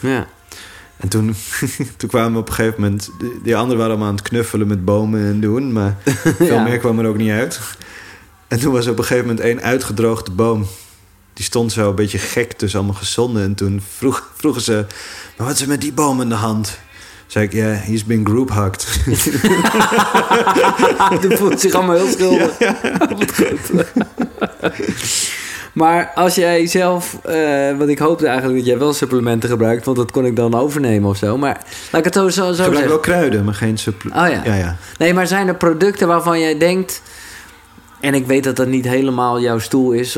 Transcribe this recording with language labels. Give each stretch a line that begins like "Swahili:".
Dutch: Ja. En toen kwamen we op een gegeven moment... Die anderen waren allemaal aan het knuffelen met bomen en doen. Maar veel meer kwam er ook niet uit. En toen was er op een gegeven moment één uitgedroogde boom... Die stond zo een beetje gek tussen allemaal gezonden. En toen vroegen ze... Maar wat is er met die boom in de hand? Zei ik, ja,
English: yeah, he's been group hugged.
Dutch: Toen voelt zich allemaal heel schuldig. Ja, ja. Maar als jij zelf... want ik hoopte eigenlijk dat jij wel supplementen gebruikt. Want dat kon ik dan overnemen of zo. Maar laat ik het zo zeggen. Gebruik wel kruiden, maar geen supplementen. Oh ja. Ja, ja. Nee, maar zijn er producten waarvan jij denkt... En ik weet dat dat niet helemaal jouw stoel is...